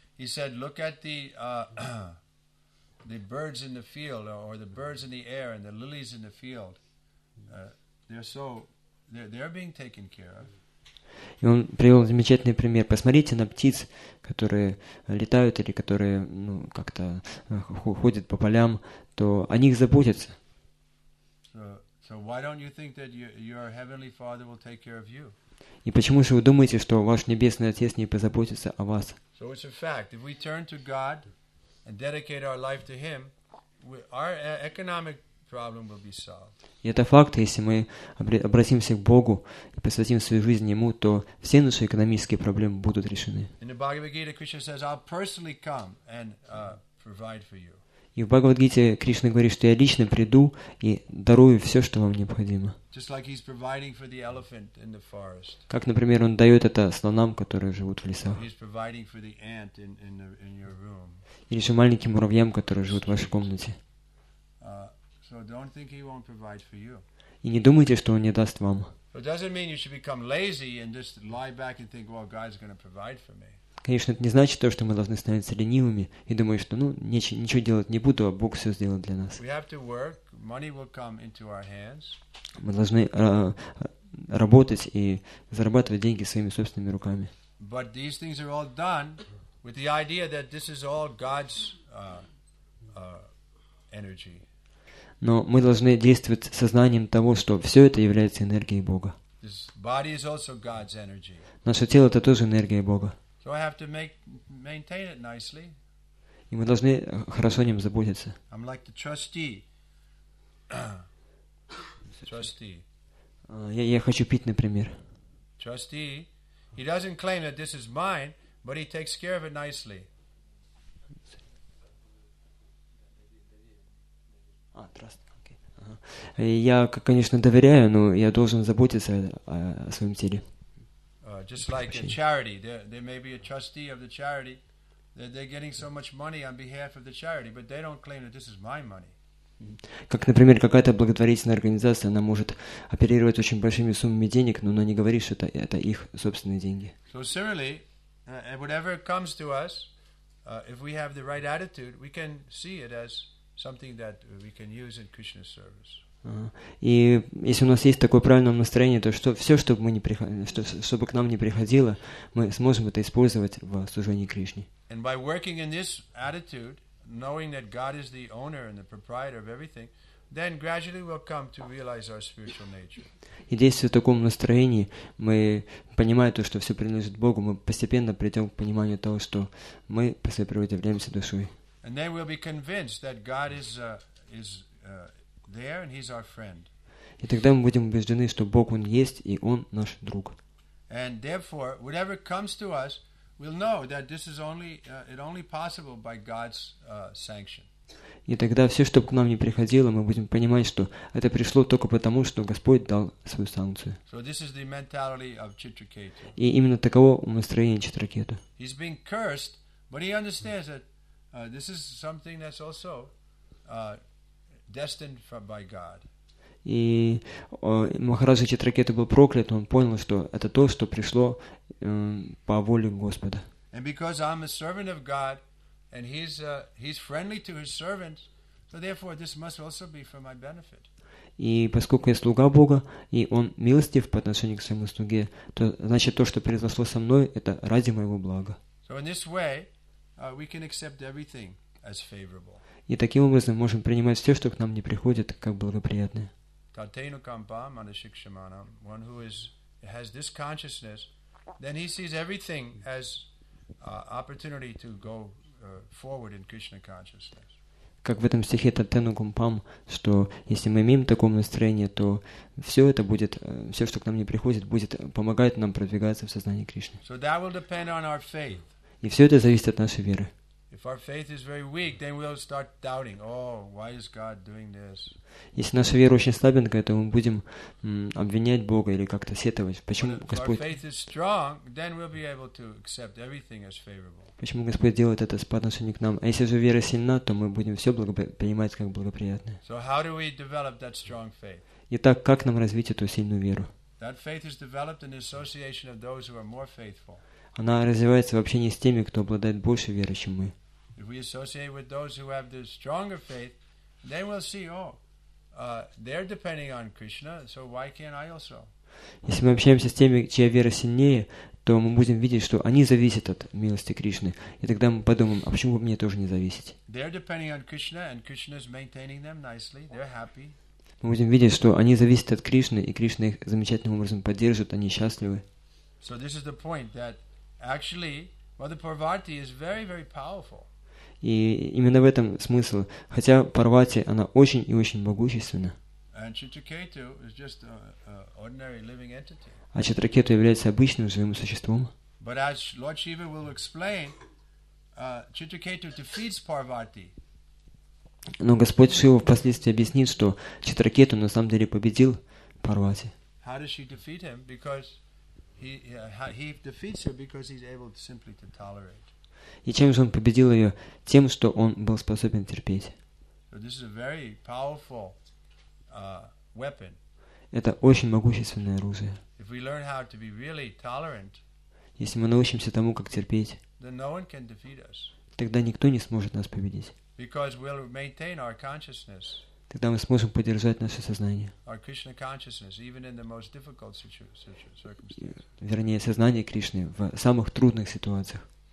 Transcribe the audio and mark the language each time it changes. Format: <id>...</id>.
<en>He said, look at the birds in the field, or the birds in the air, and the lilies in the field. They're being taken care of.</en> <ru>И он привел замечательный пример. Посмотрите на птиц, которые летают или которые как-то ходят по полям, то о них заботятся.</ru> <en>So why don't you think that your heavenly Father will take care of you?</en> <ru>И почему же вы думаете, что ваш небесный Отец не позаботится о вас?</ru> <en>So it's a fact. If we turn to God and dedicate our life to Him, our economic problem will be solved.</en> <ru>И это факт, если мы обратимся к Богу и посвятим свою жизнь Ему, то все наши экономические проблемы будут решены.</ru> <en>In the Bhagavad Gita, Krishna says, "I'll personally come and provide for you."</en> <ru>И в Бхагавад Гите Кришна говорит, что я лично приду и дарую все, что вам необходимо.</ru> <en>Just like He's providing for the elephant in the forest.</en> <ru>Как, например, Он дает это слонам, которые живут в лесах.</ru> <en>He's providing for the ant in your room.</en> <ru>Или же маленьким муравьям, которые живут в вашей комнате.</ru> <en>So don't think He won't provide for you.</en> <ru>И не думайте, что Он не даст вам.</ru> <en>It doesn't mean you should become lazy and just lie back and think, well, God's going to provide for me.</en> <ru>Конечно, это не значит то, что мы должны становиться ленивыми и думать, что ничего делать не буду, а Бог все сделает для нас.</ru> <en>We have to work, money will come into our hands.</en> <ru>Мы должны работать и зарабатывать деньги своими собственными руками.</ru> <en>But these things are all done with the idea that this is all God's energy.</en> <ru>Но мы должны действовать с сознанием того, что все это является энергией Бога.</ru> <en>This body is also God's energy.</en> <ru>Наше тело — это тоже энергия Бога.</ru> <en>So I have to maintain it nicely.</en> <ru>И мы должны хорошо о нем заботиться.</ru> <en>I'm like the trustee. Trustee.</en> <ru>Я хочу пить, например.</ru> <en>Trustee. He doesn't claim that this is mine, but he takes care of it nicely.</en> <ru>Я, конечно, доверяю, но я должен заботиться о своем теле.</ru> <en>Just like a charity. There may be a trustee of the charity. They're getting so much money on behalf of the charity, but they don't claim that this is my money.</en> <ru>Как, например, какая-то благотворительная организация, она может оперировать очень большими суммами денег, но она не говорит, что это их собственные деньги.</ru> <en>So similarly, and whatever comes to us, if we have the right attitude, we can see it as something that we can use in Krishna's service.</en> <ru>И если у нас есть такое правильное настроение, то что все, чтобы мы не приходили, чтобы к нам не приходило, мы сможем это использовать в служении Кришне.</ru> <en>And by working in this attitude, knowing that God is the owner and the proprietor of everything, then gradually we'll come to realize our spiritual nature.</en> <ru>И действуя в таком настроении, мы понимая то, что все принадлежит Богу, мы постепенно придем к пониманию того, что мы по своей природе являемся душой.</ru> <en>And then we'll be convinced that God is there and He's our friend.</en> <ru>И тогда мы будем убеждены, что Бог Он есть и Он наш друг.</ru> <en>And therefore, whatever comes to us, we'll know that this is only it only possible by God's sanction.</en> <ru>И тогда все, что к нам не приходило, мы будем понимать, что это пришло только потому, что Господь дал свою санкцию.</ru> <en>So this is the mentality of Chitraketu.</en> <ru>И именно таково настроение Читракету.</ru> <en>He's been cursed, but he understands that this is something that's also destined by God.</en> <ru>И Махараджа Читракету был проклят, он понял, что это то, что пришло по воле Господа.</ru> <en>And because I'm a servant of God, and he's friendly to his servants, so therefore this must also be for my benefit.</en> <ru>И поскольку я слуга Бога, и он милостив по отношению к своему слуге, то значит то, что произошло со мной, это ради моего блага.</ru> <en>So in this way, we can accept everything as favorable.</en> <ru>И таким образом мы можем принимать все, что к нам не приходит, как благоприятное.</ru> <sa>Tatenu kampam anashikshamanam.</sa> <en>One who has this consciousness, then he sees everything as opportunity to go forward in Krishna consciousness.</en> <ru>Как в этом стихе</ru> <sa>Tatenu kampam,</sa> <ru>что если мы имеем такое настроение, то все это будет, все, что к нам не приходит, будет помогать нам продвигаться в сознании Кришны.</ru> <en>So that will depend on our faith.</en> <ru>И все это зависит от нашей веры.</ru> <en>If our faith is very weak, then we'll start doubting. Oh, why is God doing this?</en> <ru>Если наша вера очень слабенькая, то мы будем обвинять Бога или как-то сетовать. Почему Господь?</ru> <en>If our faith is strong, then we'll be able to accept everything as favorable.</en> <ru>Почему Господь делает это по отношению к нам? А если же вера сильна, то мы будем все принимать как благоприятное.</ru> <en>So how do we develop that strong faith?</en> <ru>Итак, как нам развить эту сильную веру?</ru> <en>That faith is developed in association of those who are more faithful.</en> <ru>Она развивается в общении с теми, кто обладает большей верой, чем мы.</ru> <en>If we associate with those who have the stronger faith, then we'll see, oh, they're depending on Krishna, so why can't I also?</en> <ru>Если мы общаемся с теми, чья вера сильнее, то мы будем видеть, что они зависят от милости Кришны. И тогда мы подумаем, а почему бы мне тоже не зависеть?</ru> <en>They're depending on Krishna, and Krishna's maintaining them nicely, they're happy.</en> <ru>Мы будем видеть, что они зависят от Кришны, и Кришна их замечательным образом поддерживает, они счастливы.</ru> <en>So this is the point that actually, Mother Parvati is very, very powerful.</en> <ru>И именно в этом смысл. Хотя Парвати, она очень и очень могущественна.</ru> <en>And Chitraketu is just an ordinary living entity.</en> <ru>А Читракету является обычным живым существом.</ru> <en>But as Lord Shiva will explain, Chitraketu defeats Parvati.</en> <ru>Но Господь Шива впоследствии объяснит, что Читракету на самом деле победил Парвати.</ru> <en>How does she defeat him? Because he defeats her because he's able to simply to tolerate.</en> <ru>И чем же он победил ее? Тем, что он был способен терпеть.</ru> <en>So this is a very powerful weapon.</en> <ru>Это очень могущественное оружие.</ru> <en>If we learn how to be really tolerant,</en> <ru>если мы научимся тому, как терпеть,</ru> <en>then no one can defeat us.</en> <ru>Тогда никто не сможет нас победить.</ru> <en>Because we'll maintain our consciousness.</en> <ru>тогда мы сможем поддержать наше сознание.</ru> <en>Our Krishna consciousness, even in the most difficult circumstances.</en> <ru>Вернее, сознание Кришны в самых трудных ситуациях.</ru>